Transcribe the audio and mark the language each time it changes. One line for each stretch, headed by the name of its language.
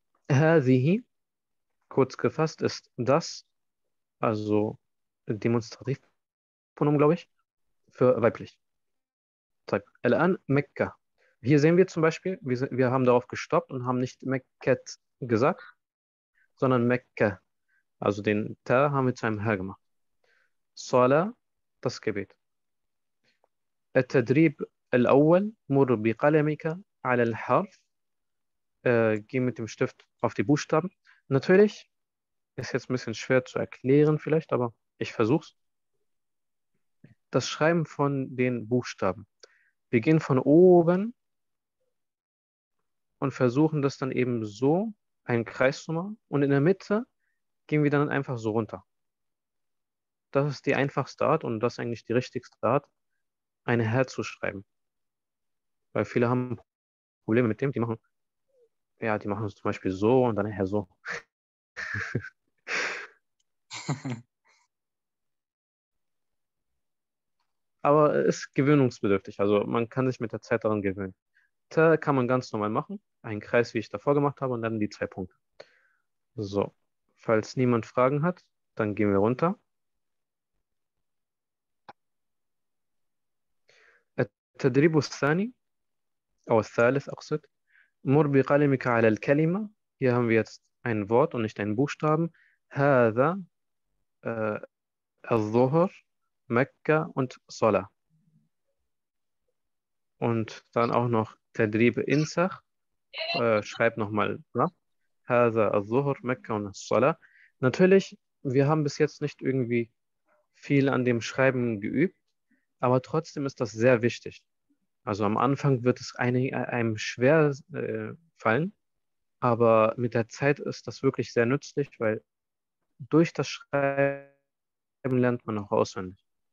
German: Hazihi, kurz gefasst, ist das, also Demonstrativpronomen, glaube ich, für weiblich. Al-An, Mekka. Hier sehen wir zum Beispiel, wir haben darauf gestoppt und haben nicht Mekket gesagt, sondern Mekka. Also den Ta haben wir zu einem H gemacht. Salah, das Gebet.
Arabic: التدريب الأول مر بقلمك على الحرف.
German: Geh mit dem Stift auf die Buchstaben. Natürlich ist jetzt ein bisschen schwer zu erklären vielleicht, aber ich versuch's. Das Schreiben von den Buchstaben. Beginn von oben und versuchen das dann eben so, einen Kreis zu machen. Und in der Mitte gehen wir dann einfach so runter. Das ist die einfachste Art und das ist eigentlich die richtigste Art, ein Herr zu schreiben. Weil viele haben Probleme mit dem, die machen. Ja, die machen es zum Beispiel so und dann her so. Aber es ist gewöhnungsbedürftig. Also man kann sich mit der Zeit daran gewöhnen. T kann man ganz normal machen. Einen Kreis, wie ich davor gemacht habe, und dann die zwei Punkte. So, falls niemand Fragen hat, dann gehen wir runter.
Arabic: التدريب الثاني أو الثالث أقصد مر بقلمك على الكلمة.
German: Hier haben wir jetzt ein Wort und nicht einen Buchstaben.
Arabic: هذا الظهر مكة und صلاة.
German: Und dann auch noch
Arabic: تدريب إنسخ.
German: Schreib nochmal.
Arabic: هذا الظهر مكة und صلاة.
German: Natürlich, wir haben bis jetzt nicht irgendwie viel an dem Schreiben geübt, aber trotzdem ist das sehr wichtig. Also am Anfang wird es einem schwer fallen, aber mit der Zeit ist das wirklich sehr nützlich, weil durch das Schreiben lernt man auch auswendig.